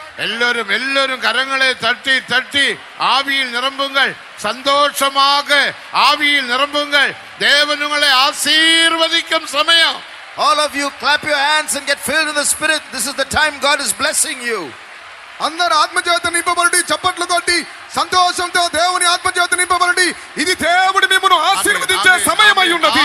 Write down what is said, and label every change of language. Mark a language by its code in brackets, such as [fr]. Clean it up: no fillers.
[ta] எல்லோரும் எல்லோரும் கரங்களை தட்டி தட்டி ஆவியில் நிரம்புங்கள், சந்தோஷமாக ஆவியில் நிரம்புங்கள், தேவன் உங்களை ஆசீர்வதிக்கும் சமயம். [en] All of you clap your hands and get filled in the spirit. This is the time God is blessing you. [te] అందరు ఆత్మజ్యోతి నింపబడి చప్పట్లు కొట్టి సంతోషంతో దేవుని ఆత్మజ్యోతి నింపబడి ఇది దేవుడు మిమ్మల్ని ఆశీర్వదించే సమయం అయి ఉన్నది.